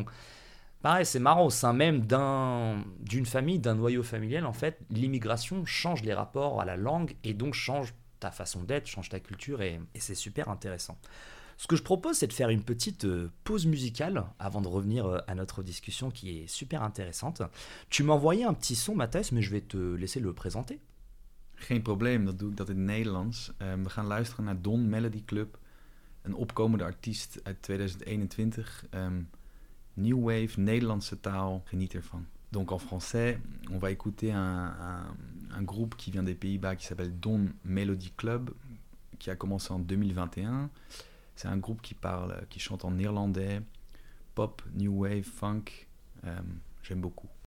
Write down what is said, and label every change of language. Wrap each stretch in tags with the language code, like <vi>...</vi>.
<fr>Donc, pareil, c'est marrant, au sein même d'une famille, d'un noyau familial, en fait, l'immigration change les rapports à la langue et donc change ta façon d'être, change ta culture, et c'est super intéressant. Ce que je propose, c'est de faire une petite pause musicale avant de revenir à notre discussion qui est super intéressante. Tu m'as envoyé un petit son, Mathijs, mais je vais te laisser le présenter.</fr> <nl>Geen probleem, dat doe ik dat in het Nederlands. We gaan luisteren naar Don Melody Club, een opkomende artiest uit 2021. New Wave, Nederlandse taal, geniet ervan.</nl> <fr>Donc en français, on va écouter un groupe qui vient des Pays-Bas qui s'appelle Don Melody Club, qui a commencé en 2021. C'est un groupe qui chante en néerlandais, pop, new wave, funk, j'aime beaucoup.</fr>